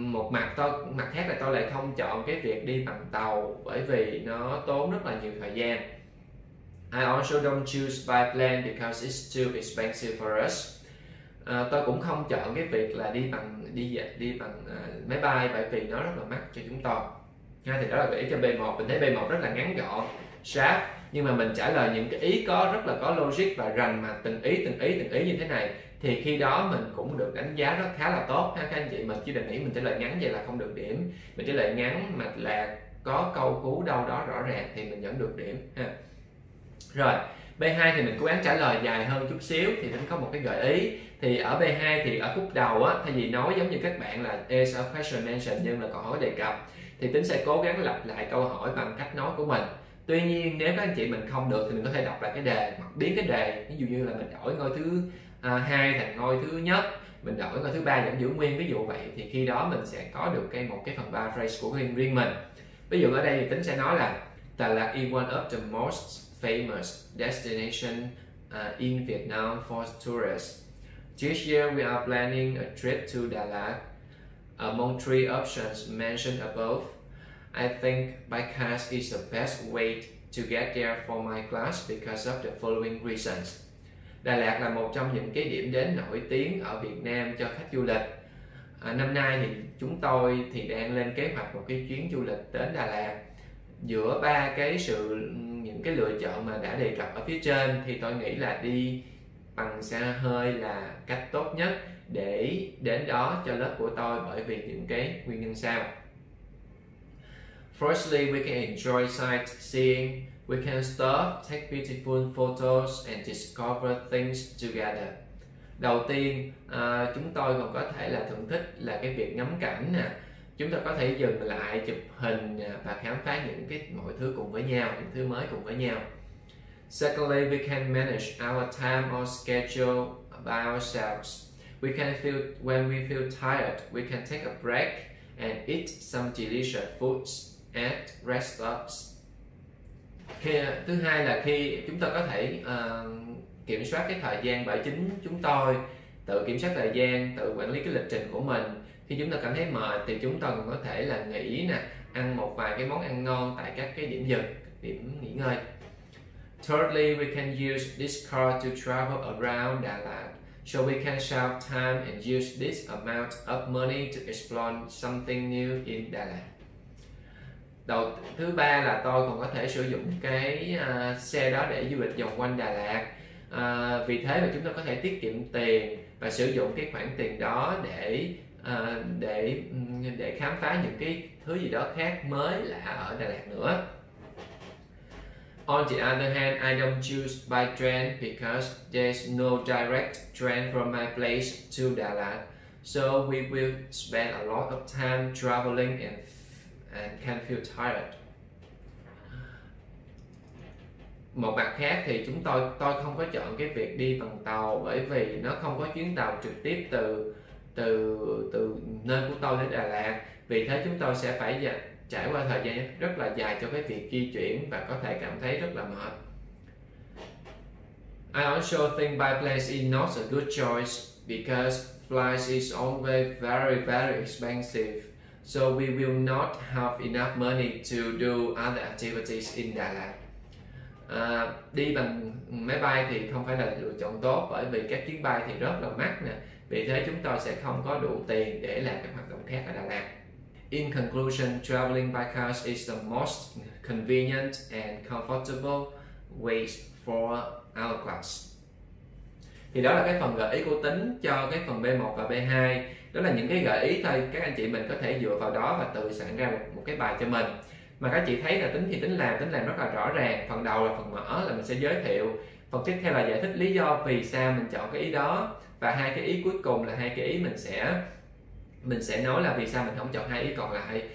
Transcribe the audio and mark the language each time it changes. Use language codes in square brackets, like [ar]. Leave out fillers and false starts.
[vi] Mặt khác là tôi lại không chọn cái việc đi bằng tàu bởi vì nó tốn rất là nhiều thời gian. [en] I also don't choose by plane because it's too expensive for us. [vi] Tôi cũng không chọn cái việc là đi bằng máy bay bởi vì nó rất là mắc cho chúng tôi. Nha, thì đó là gợi ý cho B1. Mình thấy B1 rất là ngắn gọn, sharp, nhưng mà mình trả lời những cái ý có rất là có logic và rành mạch, từng ý như thế này thì khi đó mình cũng được đánh giá rất khá là tốt ha các anh chị. Mình chỉ định nghĩ mình trả lời ngắn vậy là không được điểm, mình trả lời ngắn mà là có câu cú đâu đó rõ ràng thì mình vẫn được điểm ha. Rồi B2 thì mình cố gắng trả lời dài hơn chút xíu, thì mình có một cái gợi ý. Thì ở B2 thì ở khúc đầu á, thay vì nói giống như các bạn là [en] is a question mentioned [vi] nhưng là câu hỏi đề cập, thì Tính sẽ cố gắng lặp lại câu hỏi bằng cách nói của mình. Tuy nhiên nếu các anh chị mình không được thì mình có thể đọc lại cái đề hoặc biến cái đề, ví dụ như là mình đổi ngôi thứ hai thành ngôi thứ nhất, mình đổi ngôi thứ ba vẫn giữ nguyên, ví dụ vậy. Thì khi đó mình sẽ có được một cái phần paraphrase của riêng mình. Ví dụ ở đây thì Tính sẽ nói là [en] Đà Lạt is one of the most famous destination in Vietnam for tourists. This year we are planning a trip to Đà Lạt. Among three options mentioned above, I think by car is the best way to get there for my class because of the following reasons. [vi] Đà Lạt là một trong những cái điểm đến nổi tiếng ở Việt Nam cho khách du lịch. Năm nay thì chúng tôi thì đang lên kế hoạch một cái chuyến du lịch đến Đà Lạt giữa ba cái sự những cái lựa chọn mà đã đề cập ở phía trên thì tôi nghĩ là đi bằng xe hơi là cách tốt nhất để đến đó cho lớp của tôi bởi vì những cái nguyên nhân sau. [en] Firstly, we can enjoy sightseeing. We can stop, take beautiful photos and discover things together. [vi] Đầu tiên, chúng tôi còn có thể là thưởng thức là cái việc ngắm cảnh nè. Chúng ta có thể dừng lại chụp hình và khám phá những cái mọi thứ cùng với nhau, những thứ mới cùng với nhau. [en] Secondly, we can manage our time or schedule by ourselves. We can feel when we feel tired, we can take a break and eat some delicious foods at rest stops. [vi] Thứ hai là khi chúng ta có thể kiểm soát cái thời gian bởi chính chúng tôi, tự kiểm soát thời gian, tự quản lý cái lịch trình của mình. Khi chúng ta cảm thấy mệt thì chúng ta cũng có thể là nghỉ nè, ăn một vài cái món ăn ngon tại các cái điểm dừng, điểm nghỉ ngơi. [en] Thirdly, we can use this car to travel around Đà Lạt. So we can save time and use this amount of money to explore something new in Đà Lạt. [vi] Thứ ba là tôi còn có thể sử dụng cái xe đó để du lịch vòng quanh Đà Lạt. Vì thế mà chúng ta có thể tiết kiệm tiền và sử dụng cái khoản tiền đó để khám phá những cái thứ gì đó khác mới lạ ở Đà Lạt nữa. [en] On the other hand, I don't choose by train because there's no direct train from my place to Đà Lạt. So we will spend a lot of time traveling and can feel tired. [vi] Một mặt khác thì tôi không có chọn cái việc đi bằng tàu bởi vì nó không có chuyến tàu trực tiếp từ từ từ nơi của tôi đến Đà Lạt. Vì thế chúng tôi sẽ phải trải qua thời gian rất là dài cho cái việc di chuyển và có thể cảm thấy rất là mệt. [en] I also think by plane is not a good choice because flights is always very very expensive. So we will not have enough money to do other activities in Đà Lạt. [vi] Đi bằng máy bay thì không phải là lựa chọn tốt bởi vì các chuyến bay thì rất là mắc nè. Vì thế chúng tôi sẽ không có đủ tiền để làm các hoạt động khác ở Đà Lạt. [en] In conclusion, traveling by car is the most convenient and comfortable way for our class. [vi] Thì đó là cái phần gợi ý của Tính cho cái phần B1 và B2. Đó là những cái gợi ý thôi, các anh chị mình có thể dựa vào đó và tự soạn ra một cái bài cho mình. Mà các chị thấy là Tính thì Tính làm rất là rõ ràng. Phần đầu là phần mở là mình sẽ giới thiệu. Phần tiếp theo là giải thích lý do vì sao mình chọn cái ý đó. Và hai cái ý cuối cùng là hai cái ý mình sẽ nói là vì sao mình không chọn hai ý còn lại.